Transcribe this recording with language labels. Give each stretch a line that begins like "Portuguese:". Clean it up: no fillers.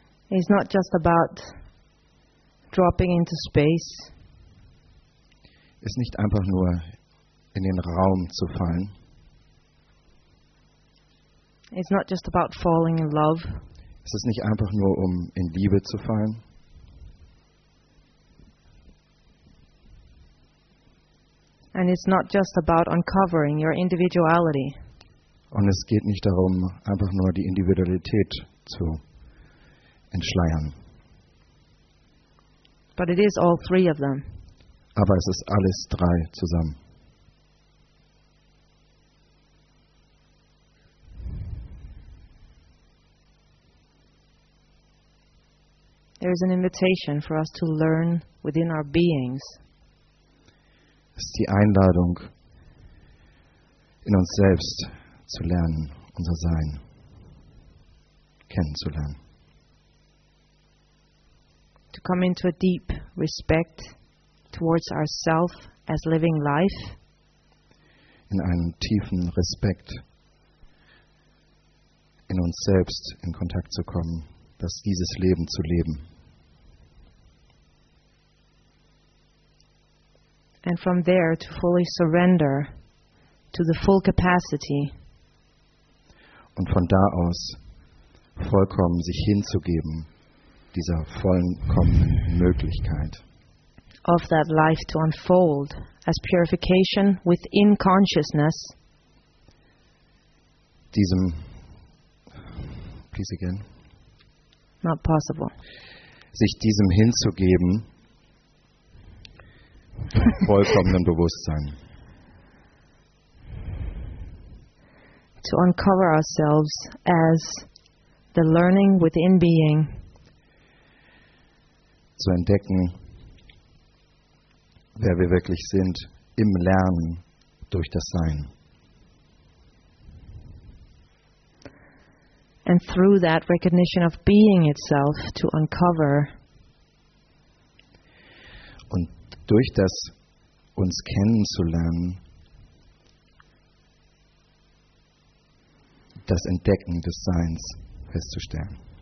English: It's not just about dropping into space.
German: Ist nicht einfach nur in den Raum zu fallen.
English: It's not just about falling in love.
German: Es ist nicht einfach nur in Liebe zu fallen.
English: And it's not just about uncovering your individuality.
German: Und es geht nicht darum, einfach nur die Individualität zu entschleiern.
English: But it is all three of them.
German: Aber es ist alles drei zusammen.
English: There is an invitation for us to learn within our beings.
German: Es ist die Einladung, in uns selbst zu lernen, unser Sein kennenzulernen.
English: To come into a deep respect towards ourselves as living life.
German: In einen tiefen Respekt in uns selbst in Kontakt zu kommen, dass dieses Leben zu leben.
English: And from there to fully surrender to the full capacity.
German: Und von da aus vollkommen sich hinzugeben dieser vollkommenen Möglichkeit.
English: Of that life to unfold as purification within consciousness.
German: Diesem,
English: please again. Not possible.
German: Sich diesem hinzugeben, vollkommenen Bewusstsein.
English: To uncover ourselves as the learning within being.
German: Zu entdecken, wer wir wirklich sind im Lernen durch das Sein.
English: And through that recognition of being itself to uncover.
German: Und durch das uns kennenzulernen, das Entdecken des Seins festzustellen.